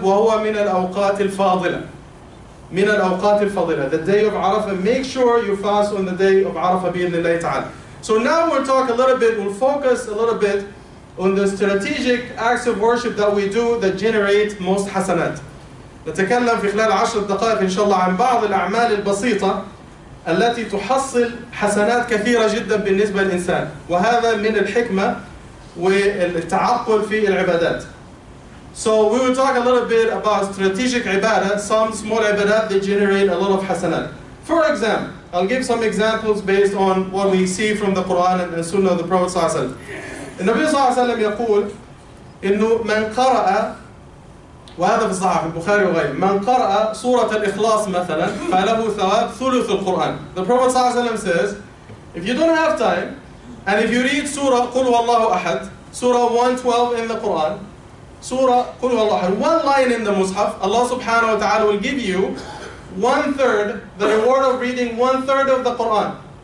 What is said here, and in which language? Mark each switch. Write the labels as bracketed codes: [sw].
[ar] وَهُوَ مِنَ الْأَوْقَاتِ الْفَاضِلَةِ من الأوقات الفضلة. [en] The day of Arafah, make sure you fast on the day of Arafah bi'idhnillahi ta'ala. So now we'll talk a little bit, we'll focus a little bit on the strategic acts of worship that we do that generate most hasanat. [ar] نتكلم في خلال عشر دقائق إن شاء الله عن بعض الأعمال البسيطة التي تحصل حسنات كثيرة جدا بالنسبة للإنسان. وهذا من الحكمة والتعقل في العبادات. [en] So we will talk a little bit about strategic ibadah, some small ibadah that generate a lot of hasanat. For example, I'll give some examples based on what we see from the Quran and the Sunnah of the Prophet صلى الله عليه وسلم. The Prophet [ar] صلى الله عليه وسلم يقول إنه من قرأ وهذا في الصحيح البخاري وغيره من قرأ سورة الإخلاص مثلا فله ثواب ثلث القرآن. [en] The Prophet صلى الله عليه وسلم says, if you don't have time and if you read Surah قل هو الله أحد, Surah 112 in the Quran, Surah قل هو الله أحد, one line in the Mus'haf, Allah subhanahu wa ta'ala will give you one third, the reward of reading one third of the Quran.